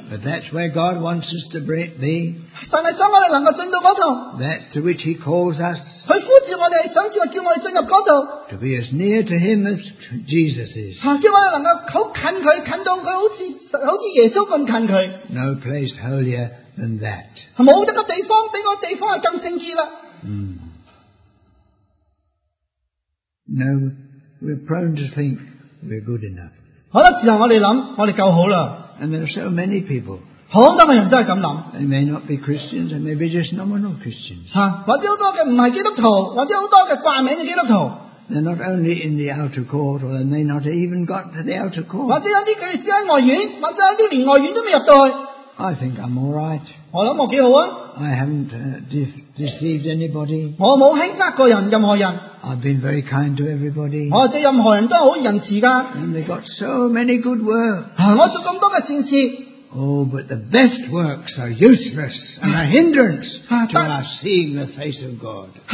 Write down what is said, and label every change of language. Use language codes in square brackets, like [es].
[en] but that's where God wants us to be. [zh] 神是想我们能够进到那里, [en] that's to which He calls us. [zh] 祂呼召我们, 想叫我们进入那里, [en] to be as near to Him as Jesus is. [zh] 叫我们能够很近祂, 近到祂好似, 好像耶稣那么近祂, [en] no place holier than that. [zh] 没有这个地方, 比那个地方更圣洁了, [en] No. We're prone to think we're good enough. [zh] 很多时候我们想,我们够好了, [en] and there are so many people. [zh] 很多人都是这样想, [en] they may not be Christians, they may be just nominal Christians. [zh] 啊, 或者很多的不是基督徒, 或者很多的挂名的基督徒, [en] they're not only in the outer court, or they may not have even got to the outer court. [zh] 或者有些只在外院, 或者有些连外院都没有入到去, [en] I think I'm alright. [zh] 我想我挺好啊, [en] I haven't deceived anybody. [zh] 我没有欺骗过人, [en] I've been very kind to everybody. [zh] 我对任何人都是很仁慈的, [en] and they got so many good works. [zh] 我做这么多的善事, [en] oh, but the best works are useless and a hindrance to us seeing the face of God.